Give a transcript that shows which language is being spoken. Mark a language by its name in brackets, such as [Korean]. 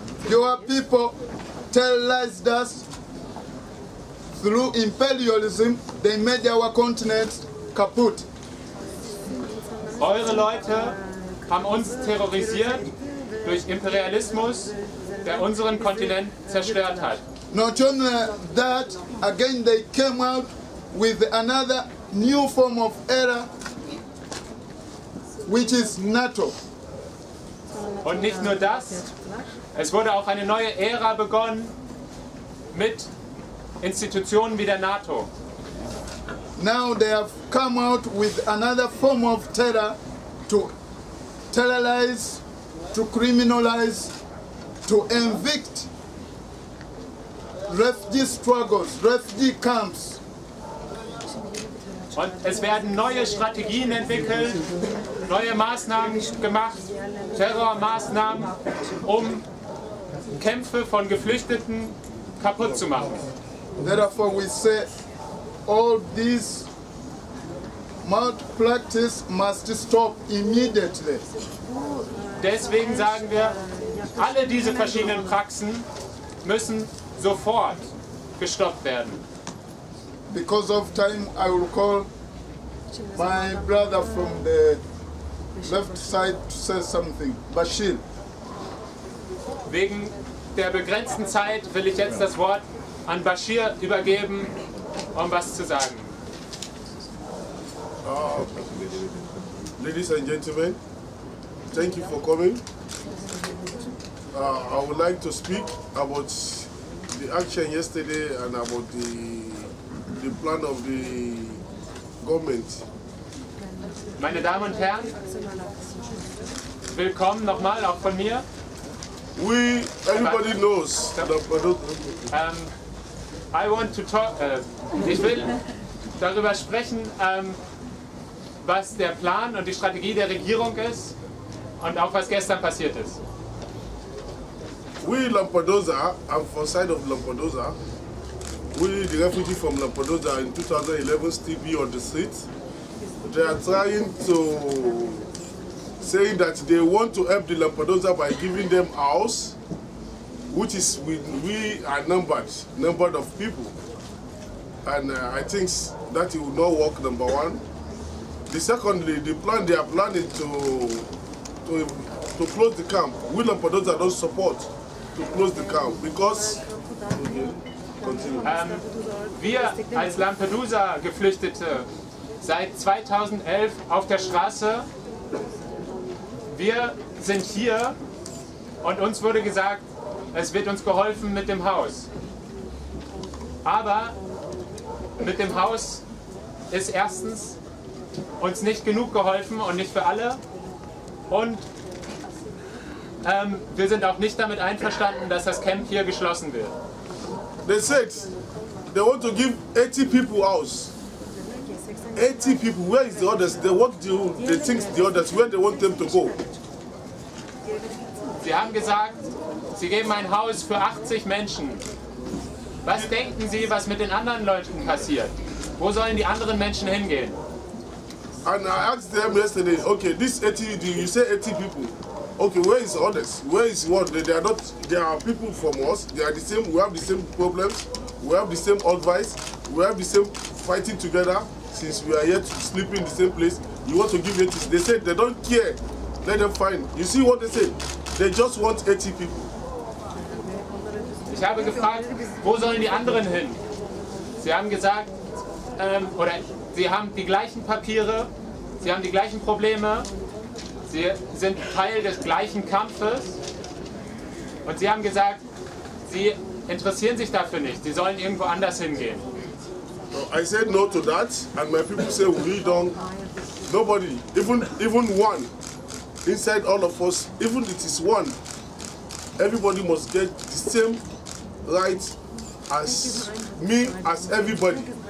[English] Your people terrorized us. Through imperialism, they made our continent kaputt. [German] Eure Leute haben uns terrorisiert durch Imperialismus, der unseren Kontinent zerstört hat. [English] Not only that, again they came out with another new form of error, which is NATO. [German] Und nicht nur das, es wurde auch eine neue Ära begonnen mit Institutionen wie der NATO. [English] Now they have come out with another form of terror to terrorize, to criminalize, to evict refugee struggles, refugee camps. [German] Und es werden neue Strategien entwickelt, neue Maßnahmen gemacht, Terrormaßnahmen, um Kämpfe von Geflüchteten kaputt zu machen. [English] Therefore, we say all this malpractice must stop immediately. [German] Deswegen sagen wir, alle diese verschiedenen Praxen müssen sofort gestoppt werden. [English] Because of time, I will call my brother from the left side to say something. Bashir. [German] Wegen der begrenzten Zeit will ich jetzt das Wort an Bashir übergeben, um was zu sagen. [English] Ladies and gentlemen, thank you for coming. I would like to speak about the action yesterday and about the plan of the government. [German] Meine Damen und Herren, willkommen nochmal auch von mir. [English] We, everybody knows. I want to talk. [German] Ich will darüber sprechen, was der Plan und die Strategie der Regierung ist und auch was gestern passiert ist. [English] We Lampedusa, I'm from side of Lampedusa. We the refugee from Lampedusa in 2011 still be on the streets. They are trying to say that they want to help the Lampedusa by giving them a house. Which is we are numbered of people, and I think that it will not work. Number one. The secondly, the plan they are planning to close the camp. We Lampedusa don't support to close the camp because. Continue. [German] Wir als Lampedusa Geflüchtete seit 2011 auf der Straße. Wir sind hier, und uns wurde gesagt, es wird uns geholfen mit dem Haus. Aber mit dem Haus ist erstens uns nicht genug geholfen und nicht für alle. Und wir sind auch nicht damit einverstanden, dass das Camp hier geschlossen wird. [English] They said they want to give 80 people house. 80 people, where is the others? They want to, they think the others, where they want them to go? [German] Sie haben gesagt, Sie geben ein Haus für 80 Menschen. Was denken Sie, was mit den anderen Leuten passiert? Wo sollen die anderen Menschen hingehen? [English] And I asked them yesterday, okay, this 80, you say 80 people. Okay, where is others? Where is what? They are people from us. They are the same. We have the same problems. We have the same advice. We have the same fighting together since we are yet sleeping in the same place. You want to give 80. They said they don't care. Let them find. You see what they say? They just want 80 people. [German] habe gefragt, wo sollen die anderen hin? Sie haben gesagt, oder sie haben die gleichen Papiere, sie haben die gleichen Probleme, sie sind Teil des gleichen Kampfes. Und sie haben gesagt, sie interessieren sich dafür nicht, sie sollen irgendwo anders hingehen. [English] I said no to that, and my people say we don't, nobody, even one, inside all of us, even if it is one, everybody must get the same rights as me, as everybody.